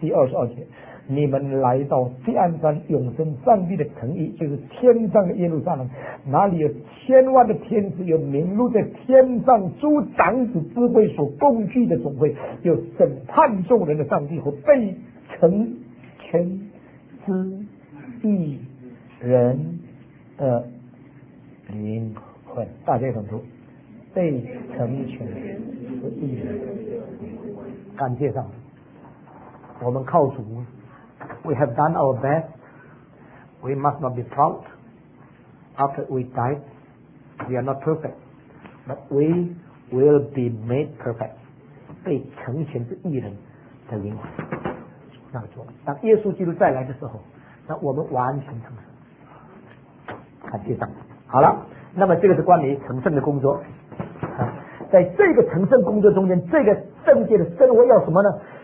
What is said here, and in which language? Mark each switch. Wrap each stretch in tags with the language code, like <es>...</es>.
<zh>第二十二节，你们来到锡安山，永生上帝的诚意，就是天上的耶路撒冷，哪里有千万的天使，有名录在天上诸长子智慧所共聚的总会，有审判众人的上帝和被成全之义人的灵魂。大家懂不？被成全之义人，感谢上帝，我们靠主。</zh> <en>We have done our best. We must not be proud. After we die, we are not perfect, but we will be made perfect.</en> <zh>被成全之义人的灵魂，那个主，当耶稣基督再来的时候，那我们完全成圣。感谢上帝。好了，那么这个是关于成圣的工作。在这个成圣工作中间，这个圣洁的生活要什么呢？</zh>